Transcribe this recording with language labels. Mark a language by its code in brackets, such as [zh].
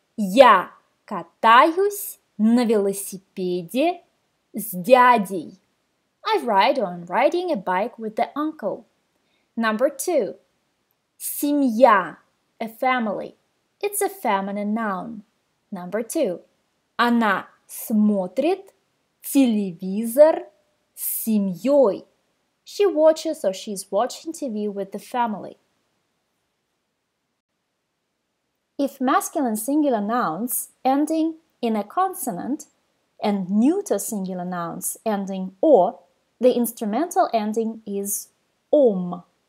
[ru] «Я катаюсь на велосипеде». С дядей. [en] I ride on riding a bike with the uncle. Number two. Семья. A family. It's a feminine noun. Number two. [ru] Она смотрит телевизор с семьей. [en] She watches or she's watching TV with the family. If masculine singular nouns ending in a consonant and neuter singular nouns ending or, the instrumental ending is om.